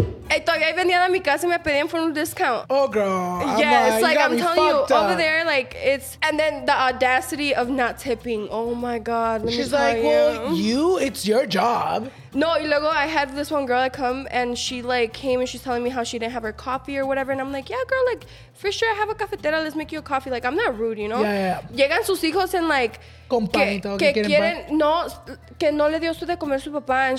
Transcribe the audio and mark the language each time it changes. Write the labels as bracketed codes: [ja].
[es] Y todavía venían a mi casa y me pedían [en] for a discount. Oh, girl. I'm telling you, over there, like, it's... And then the audacity of not tipping. Oh, my God. Well, it's your job. No, [es] y luego [en] I had this one girl that come, and she, like, came, and she's telling me how she didn't have her coffee or whatever. And I'm like, yeah, girl, like, for sure, I have a cafetera. Let's make you a coffee. Like, I'm not rude, you know? Yeah. [es] Llegan sus hijos and, like... Que no le dio esto de comer su papá.